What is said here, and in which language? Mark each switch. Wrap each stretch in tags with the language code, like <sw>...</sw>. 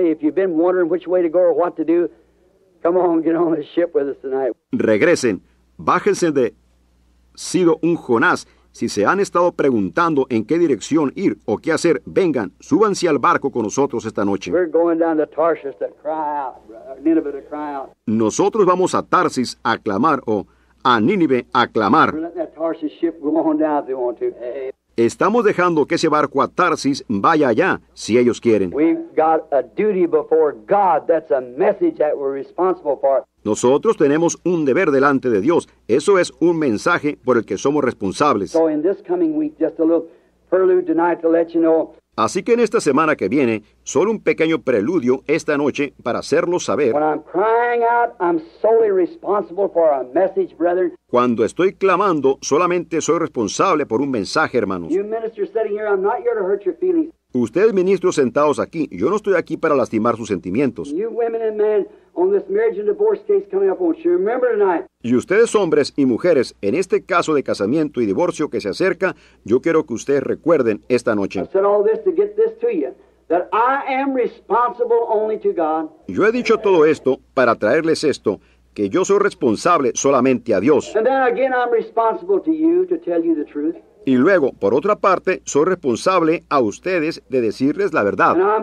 <en>If you've been wondering which way to go or what to do, come on, get on the ship with us tonight.</en> <es>Regresen. Bájense de sido un Jonás. Si se han estado preguntando en qué dirección ir o qué hacer, vengan, súbanse al barco con nosotros esta noche.</es> <en>We're going down to Tarshish to cry out, Nineveh to cry out.</en> <es>Nosotros vamos a Tarsis a clamar o a Nínive a clamar.</es> <en>We're letting that Tarshish ship go on down if they want to.</en> <es>Estamos dejando que ese barco a Tarsis vaya allá si ellos quieren.</es> <en>We've got a duty before God. That's a message that we're responsible for.</en> <es>Nosotros tenemos un deber delante de Dios. Eso es un mensaje por el que somos responsables.</es> <en>So in this coming week, just a little prelude tonight to let you know.</en> <es>Así que en esta semana que viene, solo un pequeño preludio esta noche para hacerlo saber.</es> <en>When I'm crying out, I'm solely responsible for a message, brother.</en> <es>Cuando estoy clamando, solamente soy responsable por un mensaje, hermanos.</es> <en>You ministers sitting here, I'm not here to hurt your feelings.</en> <es>Ustedes, ministros sentados aquí, yo no estoy aquí para lastimar sus sentimientos.</es> <en>You women and men, on this marriage and divorce case coming up, won't you remember tonight?</en> <es>Y ustedes, hombres y mujeres, en este caso de casamiento y divorcio que se acerca, yo quiero que ustedes recuerden esta noche.</es> <en>I said all this to get this to you, that I am responsible only to God.</en> <es>Yo he dicho todo esto para traerles esto, que yo soy responsable solamente a Dios.</es> <en>And then again, I'm responsible to you to tell you the truth.</en> <es>Y luego, por otra parte, soy responsable a ustedes de decirles la verdad.</es>